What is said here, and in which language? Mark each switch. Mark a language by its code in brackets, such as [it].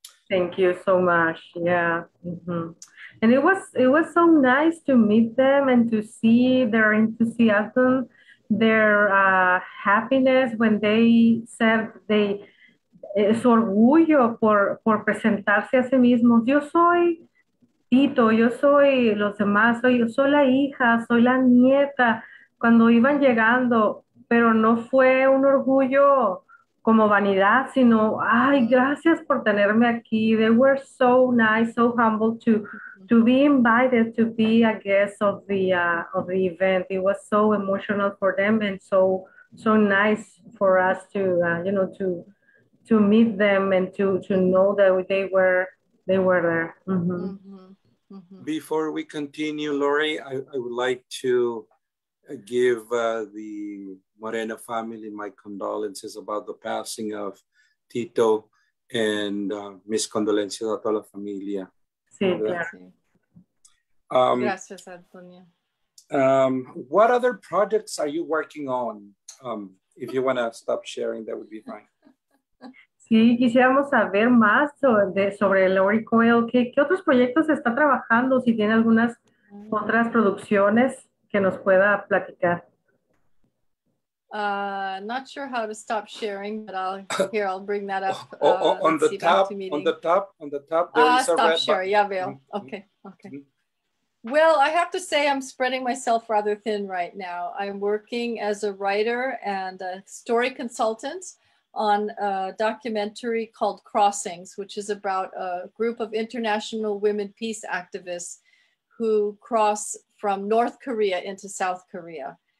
[en] Thank you so much. Yeah. Mm-hmm. And it was so nice to meet them and to see their enthusiasm, their happiness when they said they [es] su orgullo por presentarse a sí mismos. Yo soy Tito, yo soy los demás, soy la hija, soy la nieta, cuando iban llegando, pero no fue un orgullo como vanidad, sino, ay, gracias por tenerme aquí. [en] They were so nice, so humble to be invited to be a guest of the event. It was so emotional for them and so nice for us to, you know, to meet them and to know that they were there. Mm-hmm. Mm-hmm. Mm-hmm. Before we continue, Laurie, I would like to give the Moreno family my condolences about the passing of Tito, and [es] mis condolencias a toda la familia. Sí, [en] yeah. [es] Gracias, Antonio. [en] What other projects are you working on? If you want to stop sharing, that would be fine. [es] Sí, quisiéramos saber más sobre Laurie Coyle. ¿Qué otros proyectos está trabajando? Si tiene algunas otras producciones que nos pueda platicar. [en] Not sure how to stop sharing, but I'll bring that up. On the top, there is a stop share. Yeah, Bill. Mm-hmm. Okay. Mm-hmm. Well, I have to say I'm spreading myself rather thin right now. I'm working as a writer and a story consultant on a documentary called Crossings, which is about a group of international women peace activists who cross from North Korea into South Korea.